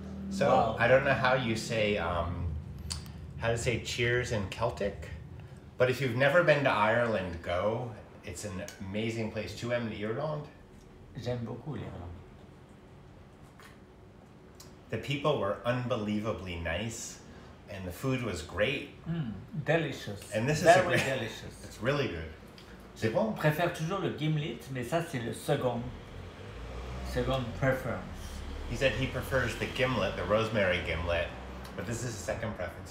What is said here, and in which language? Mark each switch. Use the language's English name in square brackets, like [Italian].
[English] So wow. I don't know how you say, how to say cheers in Celtic, but if you've never been to Ireland, go. It's an amazing place. [French] Tu aimes l'Irlande? J'aime beaucoup l'Irlande. [English] The people were unbelievably nice, and the food was great. Delicious. And this very is very delicious. It's really good. [French] C'est bon? Je préfère toujours le gimlet, mais ça c'est le [English] second preference. He said he prefers the gimlet, the rosemary gimlet, but this is a second preference.